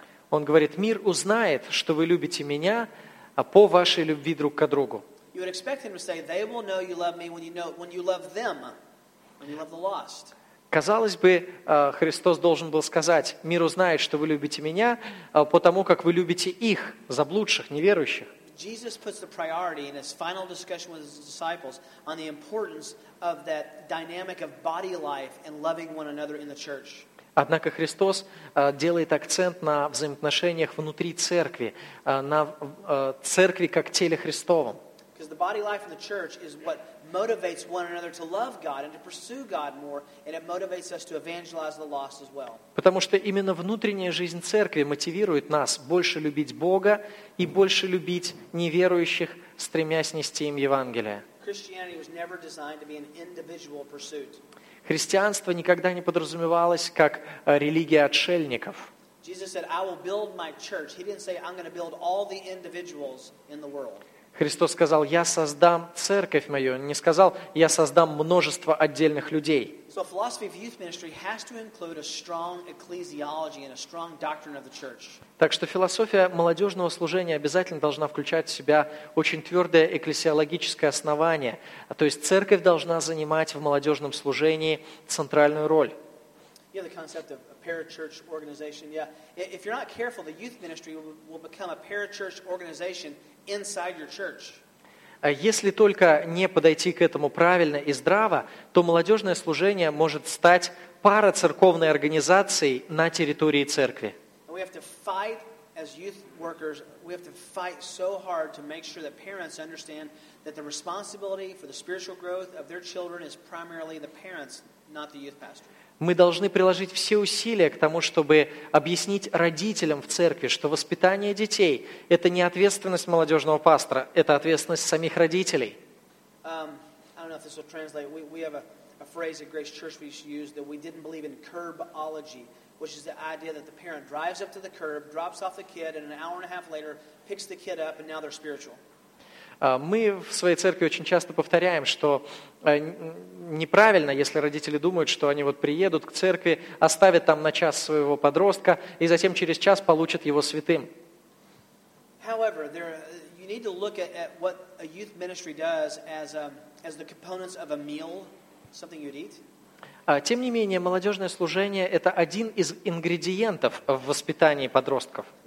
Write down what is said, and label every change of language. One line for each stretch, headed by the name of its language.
Russian: Он говорит, мир узнает, что вы любите меня по вашей любви друг к другу. Казалось бы, Христос должен был сказать, мир узнает, что вы любите меня, потому как вы любите их, заблудших, неверующих.
English: Jesus puts the priority in his final discussion with his disciples on the importance of that dynamic of body life and loving one another in the church.
Russian: Однако Христос делает акцент на взаимоотношениях внутри церкви, на церкви как теле Христовом.
English: Because the body life in the church is what motivates one another to love God and to pursue God more, and it motivates us to evangelize the lost as well.
Russian: Потому что именно внутренняя жизнь церкви мотивирует нас больше любить Бога и больше любить неверующих, стремясь нести им Евангелие.
English: Christianity was never designed to be an individual pursuit.
Russian: Христианство никогда не подразумевалось как религия отшельников.
English: Jesus said, "I will build my church." He didn't say, "I'm going to build all the individuals in the world."
Russian: Христос сказал, «Я создам церковь мою». Он не сказал, «Я создам множество отдельных людей». Так что философия молодежного служения обязательно должна включать в себя очень твердое экклесиологическое основание. То есть церковь должна занимать в молодежном служении центральную роль.
English: Yeah, the concept of a parachurch organization. Yeah. If you're not careful, the youth ministry will become a parachurch organization inside your church.
Russian: Если только не подойти к этому правильно и здраво, то молодежное служение может стать парацерковной организацией на территории церкви.
English: We have to fight as youth workers, we have to fight so hard to make sure that parents understand that the responsibility for the spiritual growth of their children is primarily the parents, not the youth pastor.
Russian: Мы должны приложить все усилия к тому, чтобы объяснить родителям в церкви, что воспитание детей – это не ответственность молодежного пастора, это ответственность самих родителей.
English: I don't know if this will translate. We have a phrase at Grace Church we used that we didn't believe in curbology, which is the idea that the parent drives up to the curb, drops off the kid, and an hour and a half later picks the kid up, and now they're spiritual.
Russian: Мы в своей церкви очень часто повторяем, что неправильно, если родители думают, что они вот приедут к церкви, оставят там на час своего подростка и затем через час получат его святым.
English: However, you need to look at what a youth ministry does as the components of a meal, something you'd eat.
Russian: Тем не менее, молодежное служение – это один из ингредиентов в воспитании подростков.